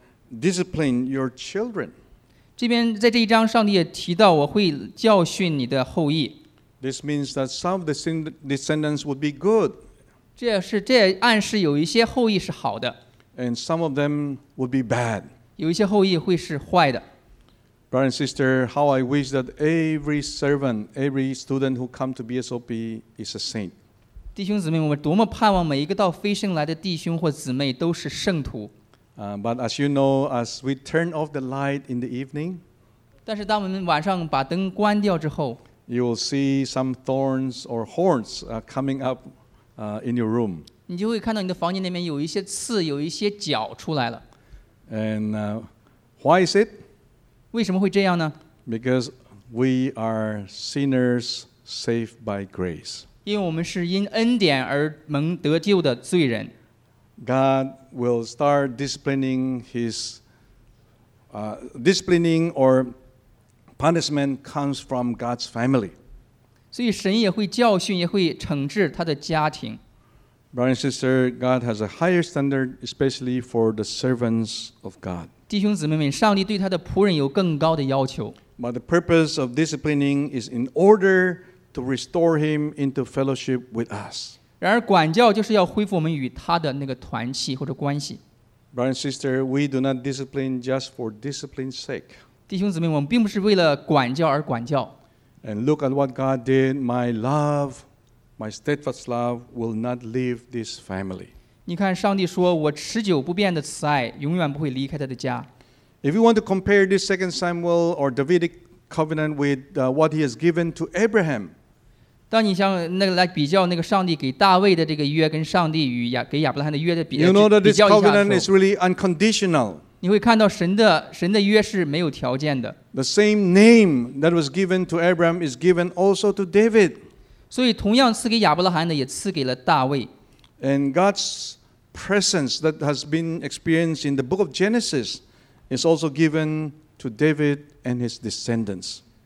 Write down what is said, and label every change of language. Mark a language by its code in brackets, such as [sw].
[en] Discipline your children. [zh] 这边在这一章，上帝也提到我会教训你的后裔。 [en] This means that some of the descendants would be good. [zh] 这暗示有一些后裔是好的。 [en] And some of them would be bad. [zh] 有一些后裔会是坏的。 [en] Brother and sister, how I wish that every servant, every student who come to BSOP is a saint. [zh] 弟兄姊妹，我们多么盼望每一个到飞升来的弟兄或姊妹都是圣徒。 [en] But as you know, as we turn off the light in the evening, [zh] 但是当我们晚上把灯关掉之后， [en] you will see some thorns or horns coming up in your room. [zh] 你就会看到你的房间里面有一些刺，有一些角出来了。 [en] And why is it? [zh] 为什么会这样呢？ [en] Because we are sinners saved by grace. [zh] 因为我们是因恩典而蒙得救的罪人。 [en] God will start disciplining his disciplining or punishment comes from God's family. [zh] 所以神也会教训，也会惩治他的家庭。 [en] Brother and sister, God has a higher standard, especially for the servants of God. [zh] 弟兄姊妹们，上帝对他的仆人有更高的要求。 [en] But the purpose of disciplining is in order to restore him into fellowship with us. [zh] 然而管教就是要恢复我们与他的那个团契或者关系。 [en] Brother and sister, we do not discipline just for discipline's sake. [zh] 弟兄姊妹，我们并不是为了管教而管教。 [en] And look at what God did. My love, my steadfast love will not leave this family. [zh] 你看上帝说我持久不变的慈爱永远不会离开他的家。 [en] If you want to compare this 2 Samuel or Davidic covenant with what he has given to Abraham, [zh] 当你像那个来比较那个上帝给大卫的这个约跟上帝与给亚伯拉罕的约的比较一下的时候 [en] covenant is really unconditional. [zh] 你会看到神的约是没有条件的。 [en] The same name that was given to Abraham is given also to David. [zh] 所以同样赐给亚伯拉罕的也赐给了大卫。 [en] And God's presence that has been experienced in the book of Genesis is also given to David and his descendants.